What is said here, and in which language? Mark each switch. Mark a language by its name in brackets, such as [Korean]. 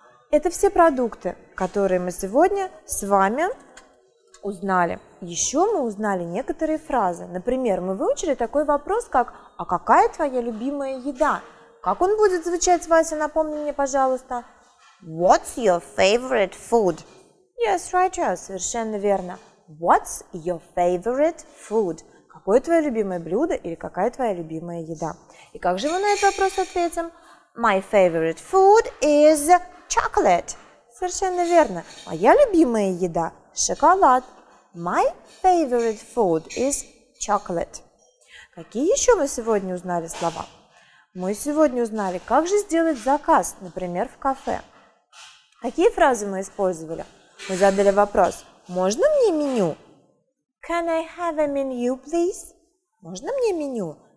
[Russian] Это все продукты, которые мы сегодня с вами узнали. Еще мы узнали некоторые фразы. Например, мы выучили такой вопрос, как «А какая твоя любимая еда?» Как он будет звучать, Вася, напомни мне, пожалуйста. [English] What's your favorite food? Yes, right, yes, [Russian] совершенно верно. [English] What's your favorite food? [Russian] Какое твое любимое блюдо или какая твоя любимая еда? И как же мы на этот вопрос ответим? [English] My favorite food is chocolate. [Russian] Совершенно верно. Моя любимая еда – шоколад. [English] My favorite food is chocolate. [Russian] Какие еще мы сегодня узнали слова? Мы сегодня узнали, как же сделать заказ, например, в кафе. Какие фразы мы использовали? Мы задали вопрос, можно мне меню? [English] Can I have a menu, please? [Russian] Можно мне меню?